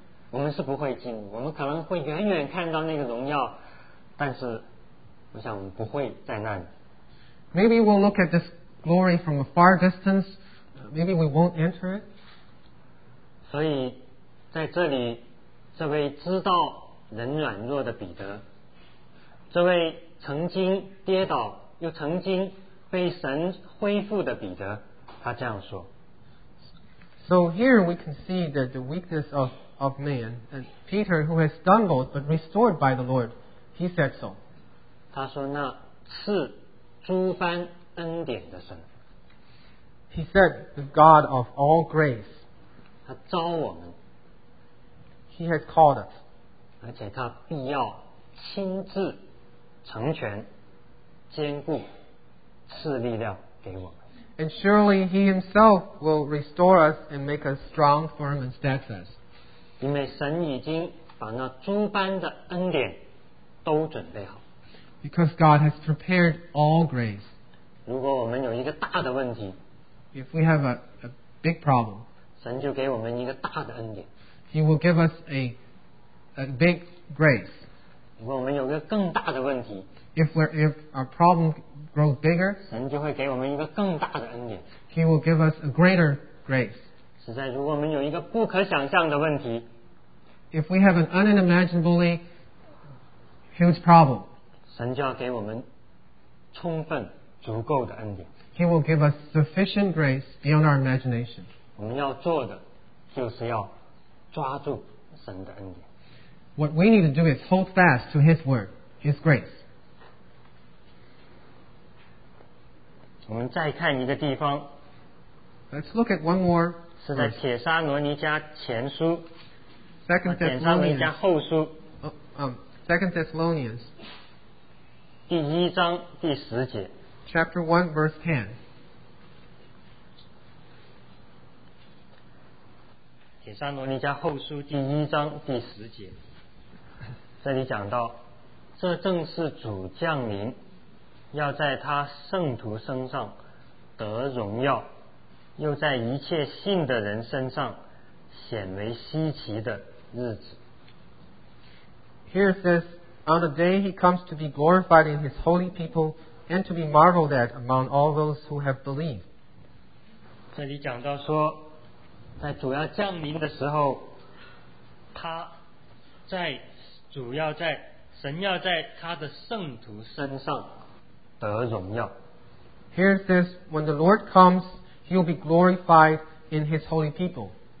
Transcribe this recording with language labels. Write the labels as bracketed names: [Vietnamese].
[Chinese] 我们是不会进，我们可能会远远看到那个荣耀，但是我想我们不会在那里。 [English] Maybe we'll look at this glory from a far distance. Maybe we won't enter it. [Chinese] 所以在这里，这位知道人软弱的彼得，这位曾经跌倒又曾经被神恢复的彼得，他这样说。 [English] So here we can see that the weakness of man, and Peter, who has stumbled but restored by the Lord, he said so. [Chinese] 他说那赐诸般恩典的神。 [English] He said the God of all grace. [Chinese] 他召我们。 [English] He has called us. [Chinese] 而且他必要亲自成全、坚固、赐力量给我们。 [English] And surely he himself will restore us and make us strong, firm, and steadfast. [Chinese] 因为神已经把那诸般的恩典都准备好。 [English] Because God has prepared all grace. [Chinese] 如果我们有一个大的问题， [English] if we have a big problem, [Chinese] 神就给我们一个大的恩典。 [English] He will give us a big grace. [Chinese] 如果我们有一个更大的问题， [English] if our problem grow bigger, [Chinese] 神就会给我们一个更大的恩典。 [English] He will give us a greater grace. [Chinese] 实在，如果我们有一个不可想象的问题， [English] if we have an unimaginably huge problem, [Chinese] 神就要给我们充分足够的恩典。 [English] He will give us sufficient grace beyond our imagination. [Chinese] 我们要做的就是要抓住神的恩典。 [English] What we need to do is hold fast to His word, His grace. [Chinese] 我们再看一个地方。 [English] Let's look at one more. [Chinese] 是在帖撒罗尼迦前书。 [English] Second Thessalonians. [Chinese] 帖撒罗尼迦后书。 [English] Second Thessalonians. [Chinese] 第一章第十节。 [English] Chapter 1, verse 10. [Chinese] 帖撒罗尼迦后书第一章第十节。这里讲到，这正是主降临。要在他圣徒身上得荣耀，又在一切信的人身上显为稀奇的日子。 [English] Here it says, On the day he comes to be glorified in his holy people and to be marveled at among all those who have believed. [Chinese] 这里讲到说，在主要降临的时候，他在主要在神要在他的圣徒身上得荣耀。 [English] Here it says, when the Lord comes, He will be glorified in His holy people.